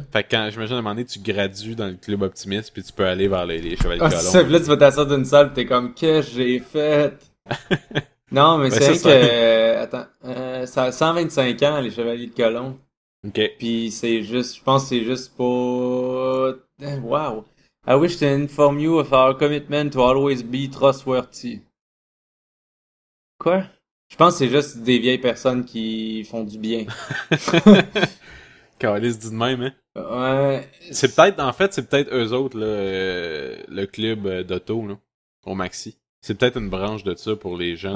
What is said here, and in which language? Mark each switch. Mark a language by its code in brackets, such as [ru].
[fr] Fait que quand, j'imagine, à un moment donné, tu gradues dans le club optimiste, puis tu peux aller vers les chevaliers de Ah, Colomb. là, tu vas t'asseoir d'une salle, t'es comme, qu'est-ce que j'ai fait? Non, mais Ben, ça, c'est c'est un. que. Attends. Ça a 125 ans, les Chevaliers de Colomb. Ok. Puis c'est juste. Je pense que c'est juste pour. Wow. [en] I wish to inform you of our commitment to always be trustworthy. [fr] Quoi? Je pense que c'est juste des vieilles personnes qui font du bien. Calice dit de même, hein? Ouais. C'est peut-être, en fait, c'est peut-être eux autres, là, le club d'auto, là, au maxi. C'est peut-être une branche de ça pour les jeunes